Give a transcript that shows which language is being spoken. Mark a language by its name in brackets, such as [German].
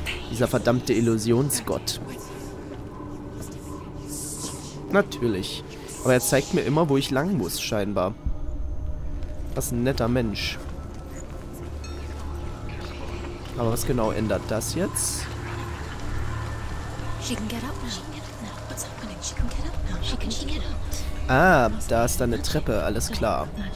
[German] Dieser verdammte Illusionsgott. Natürlich. Aber er zeigt mir immer, wo ich lang muss, scheinbar. Was ein netter Mensch. Aber was genau ändert das jetzt? [English] She can get up now. What's happening? She can get up now. How can she get out? [German] Ah, da ist dann eine Treppe, alles klar.